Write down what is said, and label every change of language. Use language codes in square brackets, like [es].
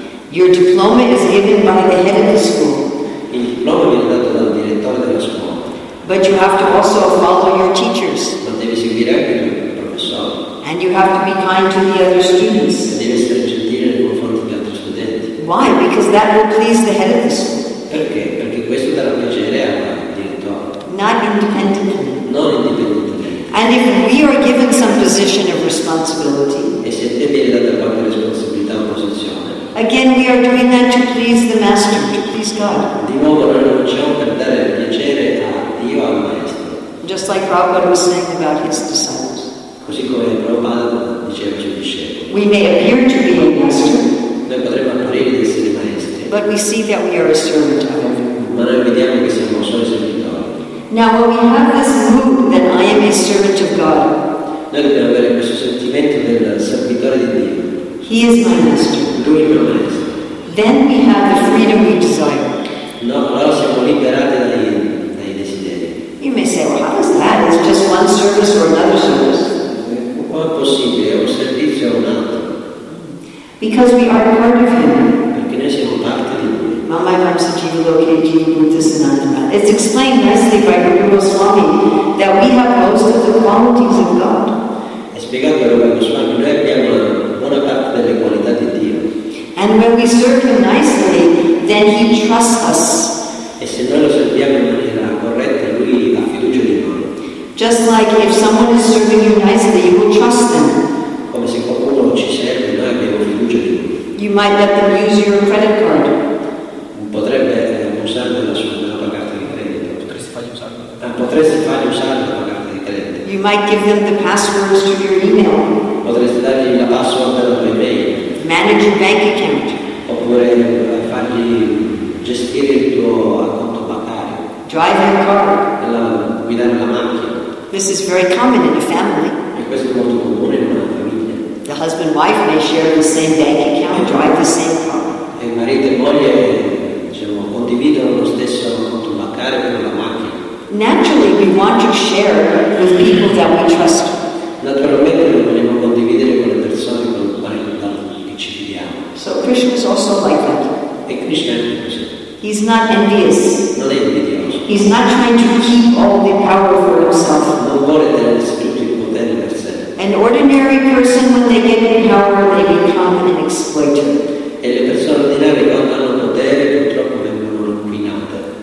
[en] Your diploma is given by the head of the school. [it] Il diploma viene dato dal direttore della scuola. [en] But you have to also follow your teachers. [it] Ma devi seguire anche il professore. [en] And you have to be kind to the other students. [it] E devi essere gentile nei confronti degli altri studenti. [en] Why? Because that will please the head of the school. [it] Perché? Perché questo darà piacere al direttore. [en] Not independently. [it] Non indipendentemente. [en] And if we are given some position of responsibility, [it] e se te viene data qualche responsabilità o posizione, [en] again we are doing that to please the master, to please God. [it] Di nuovo noi lo facciamo per dare piacere a Dio, al maestro. [en] Just like Prabhupada was saying about his disciples. [it] Così come Prabhupada diceva ai suoi discepoli. [en] We may appear to be a master. [it] Noi potremmo apparire di essere maestri. [en] But we see that we are a servant of him. [it] Ma noi vediamo che siamo solo servitori. [en] Now when we have this mood that I am a servant of God, [it] noi dobbiamo avere questo sentimento del servitore di Dio. [en] He is my master. [it] Lui è il mio maestro. [en] Then we have the freedom we desire. [it] No, allora siamo liberati dai desideri. [en] You may say, well, how is that? It's just one service or another service. [it] Come è possibile? È un servizio o un altro? [en] Because we are part of him. [it] Perché noi siamo parte di lui. Mamma e mamma si ci locati in Buddhisananda. [en] It's explained nicely by Guru Goswami that we have most of the qualities of God. [it] È spiegato da Guru Goswami, noi abbiamo buona parte delle qualità di Dio. [en] And when we serve him nicely, then he trusts us. [it] E se noi lo serviamo in maniera corretta, lui ha fiducia di noi. [en] Just like if someone is serving you nicely, you will trust them. [it] Come se qualcuno ci serve, noi abbiamo fiducia di lui. [en] You might let them use your credit card. [it] Potrebbe usarlo da solo. Potresti fargli usare la carta di credito. [en] You might give them the passwords to your email. [it] Potresti dargli la password della tua email. [en] Manage your bank account. [it] Oppure fargli gestire il tuo conto bancario. [en] Drive your car. [it] Guidare la macchina. [en] This is very common in a family. [it] E questo è molto comune in una famiglia. [en] The husband and wife may share the same bank account and drive the same car. [it] E marito e moglie diciamo, condividono lo stesso conto bancario per la macchina. [en] Naturally, we want to share with people that we trust. [it] Naturalmente, noi vogliamo condividere con le persone con le quali ci fidiamo. [en] So Krishna is also like that. [it] E Krishna è anche così. [en] He's not envious. [it] Non è invidioso. [en] He's not trying to keep all the power for himself. [it] Non vuole tenersi tutto il potere per sé. [en] An ordinary person, when they get any power, they become an exploiter. [it] E le persone ordinarie quando hanno potere, purtroppo vengono inquinate.